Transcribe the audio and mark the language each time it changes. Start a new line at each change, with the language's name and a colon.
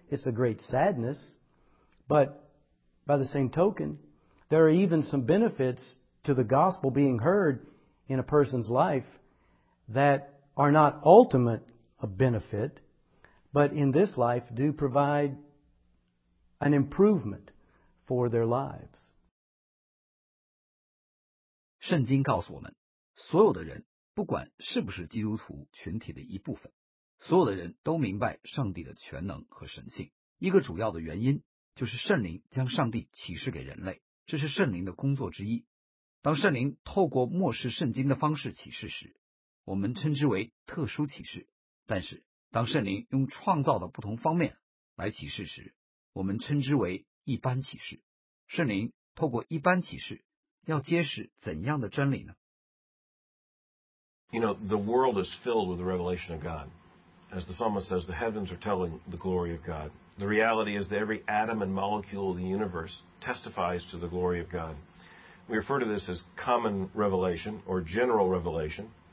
English: It's a great sadness. But by the same token, there are even some benefits to the gospel being heard in a person's life that are not ultimate a benefit, but in this life do provide an improvement for their lives.
Chinese: 圣经告诉我们，所有的人不管是不是基督徒群体的一部分，所有的人都明白上帝的全能和神性。一个主要的原因就是圣灵将上帝启示给人类，这是圣灵的工作之一。当圣灵透过默示圣经的方式启示时，我们称之为特殊启示。但是当圣灵用创造的不同方面来启示时，我们称之为一般启示。圣灵透过一般启示要揭示怎样的真理呢？
English: You know, the world is filled with the revelation of God. As the psalmist says, the heavens are telling the glory of God. The reality is that every atom and molecule of the universe testifies to the glory of God. We refer to this as common revelation or general revelation.